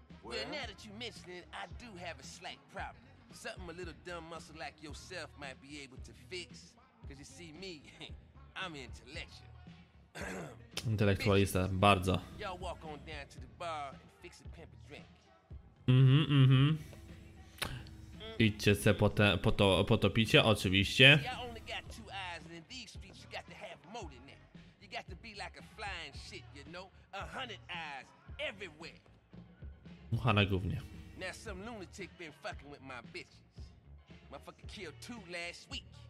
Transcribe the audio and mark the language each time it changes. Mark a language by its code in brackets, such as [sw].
[en] Well, now that you mention it, I do have a slight problem. Something a little dumb muscle like yourself might be able to fix. Cause you see me. I'm intellectual. [pl] Intelektualista, bardzo. [en] Y'all walk on down to the bar and fix a pimp a drink. Mhm. [pl] Idźcie se po to picie, oczywiście. [en] See, I only got two eyes, and in these streets you got to have more than that. You got to be like a flying shit, you know? 100 eyes everywhere. [pl] Mucha na gównie. [en] Now some lunatic been fucking with my bitches. My fucking killed two last week.